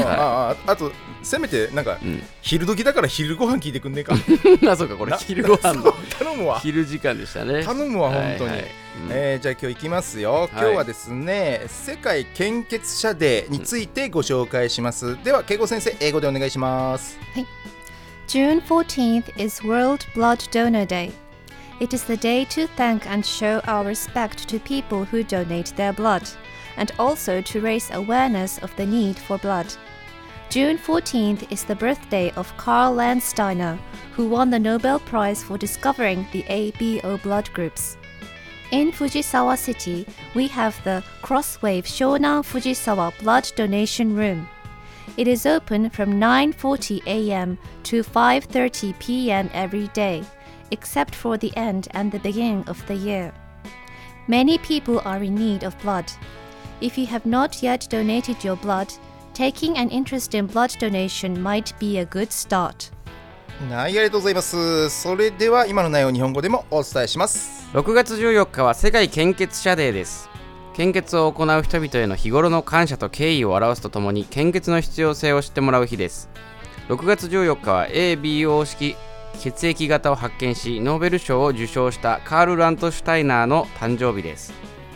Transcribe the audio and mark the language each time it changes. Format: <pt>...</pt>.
<ja>あとせめてなんか、うん、昼時だから昼ご飯聞いてくんねえか。あ、そうか、これ昼ご飯の頼むわ。昼時間でしたね。頼むわ、本当に、はいはい、うん、じゃあ今日行きますよ。今日はですね、はい、世界献血者デーについてご紹介します、うん、では恵子先生、英語でお願いします。</ja> <en>はい。June 14th is World Blood Donor Day. It is the day to thank and show our respect to people who donate their bloodand also to raise awareness of the need for blood. June 14th is the birthday of Karl Landsteiner, who won the Nobel Prize for discovering the ABO blood groups. In Fujisawa City, we have the Crosswave Shonan Fujisawa Blood Donation Room. It is open from 9:40 a.m. to 5:30 p.m. every day, except for the end and the beginning of the year. Many people are in need of blood. If you have not yet donated your blood, taking an interest in blood donation might be a good start.</en> <ja>はい、ありがとうございます。それでは今の内容を日本語でもお伝えします。 6月14日は世界献血者デーです。献血を行う人々への日頃の感謝と敬意を表すとともに、献血の必要性を知ってもらう日です。 6月14日は ABO 式血液型を発見し、ノーベル賞を受賞したカール・ラントシュタイナーの誕生日です。</ja>